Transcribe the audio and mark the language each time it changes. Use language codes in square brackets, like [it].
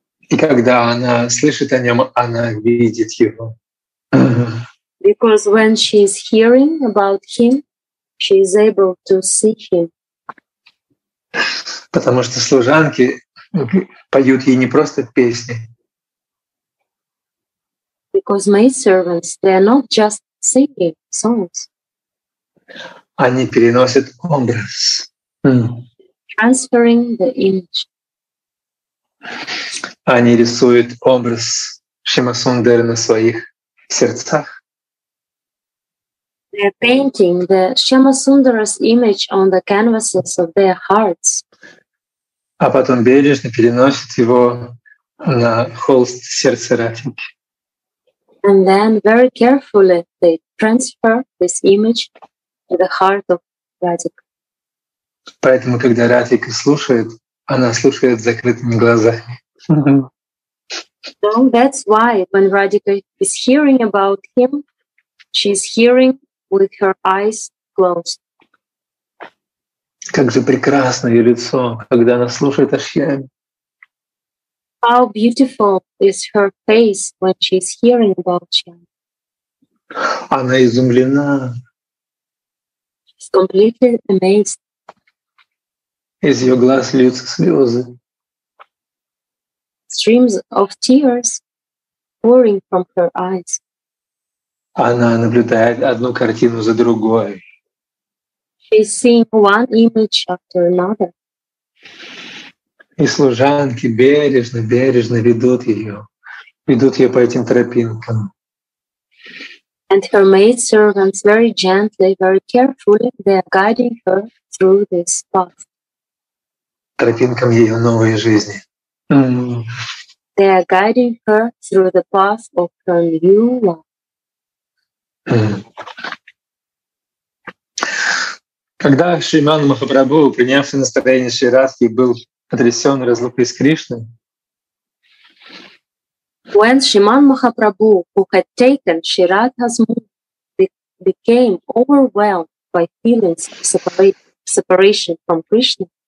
[ru] И когда она слышит о нем, она видит его. [en] Because when she is hearing about him, she is able to see him. [ru] Потому что служанки поют ей не просто песни. [en] Because maid servants, they are not just singing songs. [ru] Они переносят образ. [en] Transferring the image. [ru] Они рисуют образ Шимасундары на своих сердцах. [en] They are painting the Shyamasundara's image on the canvases of their hearts. [ru] А потом бережно переносят его на холст сердца Радхики. [en] And then very carefully they transfer this image to the heart of Radhika. [ru] Поэтому, когда Радхика слушает, она слушает с закрытыми глазами. [en] So that's why when Radhika is hearing about him, she's hearing with her eyes closed. [ru] Как же прекрасно ее лицо, когда она слушает о Шьяме. [en] How beautiful is her face when she's hearing about him. [ru] Она изумлена. [en] She's completely amazed. [ru] Из ее глаз льются слезы. [en] Streams of tears pouring from her eyes. [ru] Она наблюдает одну картину за другой. [en] She's seeing one image after another. [ru] И служанки бережно ведут ее по этим тропинкам. [en] And her maid servants very gently, very carefully, they are guiding her through this path. [ru] Тропинкам ее новой жизни. [en] They are guiding her through the path of her new life. [ru] Когда Шриман Махапрабху, принявший настроение Шри Радхи, был потрясен разлукой с Кришной, [en] when Шриман Махапрабху, who had taken Шри Радха's mood, became overwhelmed by feelings of separation from Krishna,